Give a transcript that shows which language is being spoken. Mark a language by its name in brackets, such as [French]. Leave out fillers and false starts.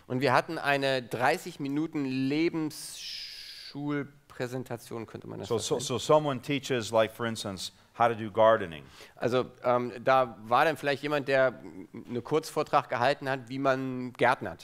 [German] Und wir hatten eine 30 Minuten Lebensschulpräsentation, könnte man das sagen. [English] So someone teaches, like for instance, how to do gardening. [German] Also da war dann vielleicht jemand, der einen Kurzvortrag gehalten hat, wie man gärtnert.